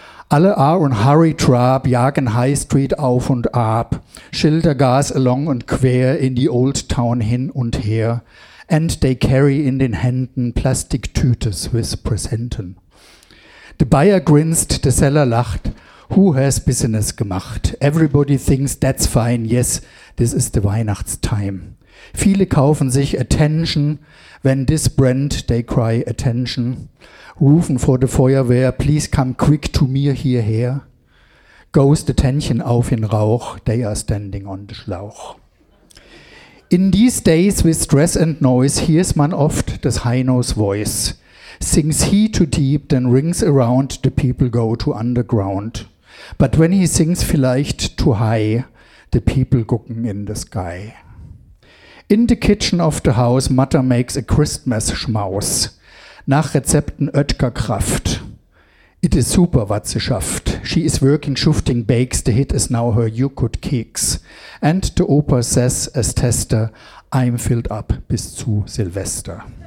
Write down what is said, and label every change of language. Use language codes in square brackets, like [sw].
[de] Alle [en] are on hurry [de] trab, jagen High Street auf und ab, Schilder [en] gas along [de] und quer in die Old Town hin und her, [en] and they carry [de] in den Händen Plastiktütes [en] with [de] Präsenten. [en] The buyer [de] grinst, [en] the seller [de] lacht, [en] who has business [de] gemacht? [en] Everybody thinks that's fine, yes, this is the Weihnachtstime. [de] Viele kaufen sich [en] Attention, when this brand they cry attention. [de] Rufen vor der Feuerwehr, [en] please come quick to me [de] hierher. [en] Ghost attention [de] auf in Rauch, [en] they are standing on the Schlauch. In these days with stress and noise, hears [de] man oft des [en] Heinos voice. Sings he too deep, then rings around, the people go to underground. But when he sings [de] vielleicht [en] too high, the people [de] gucken [en] in the sky. In the kitchen of the house, Mutter makes a Christmas schmaus. [de] Nach Rezepten Oetker Kraft. [en] It is super, what [de] sie schafft. [en] She is working, shifting, bakes. The hit is now her Yukut Keks. And the Opa says, as tester, I'm filled up [de] bis zu Silvester.